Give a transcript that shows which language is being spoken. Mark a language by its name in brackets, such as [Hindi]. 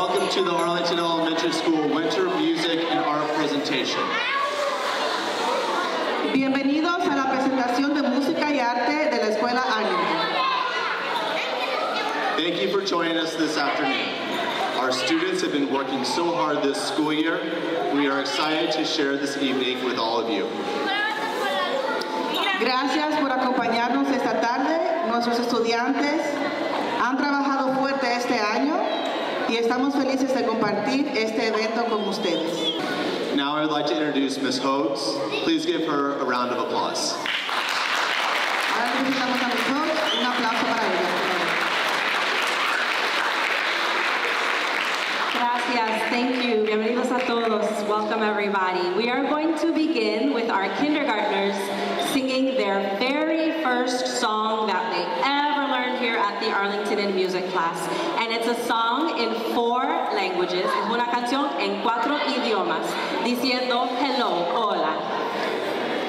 [English] to the Arlington Elementary School Winter Music and Art Presentation. [Spanish] Bienvenidos a la presentación de música y arte de la escuela Arlington. [English] Thank you for joining us this afternoon. Our students have been working so hard this school year. We are excited to share this evening with all of you. [Spanish] Gracias por acompañarnos esta tarde. Nuestros estudiantes han trabajado fuerte este año y estamos felices de compartir este evento con ustedes. [English] Now I would like to introduce Ms. Hodes. Please give her a round of applause. [Spanish] Ahora presentamos a Ms. Hodes. Un aplauso para ella. Gracias, [English] thank you. [Spanish] Bienvenidos a todos. [English] Welcome everybody. We are going to begin with our kindergartners singing their very first song that they ever learned here at the Arlington in music class. And it's a song in four languages. [Spanish] Es una canción en cuatro idiomas, diciendo hello, hola.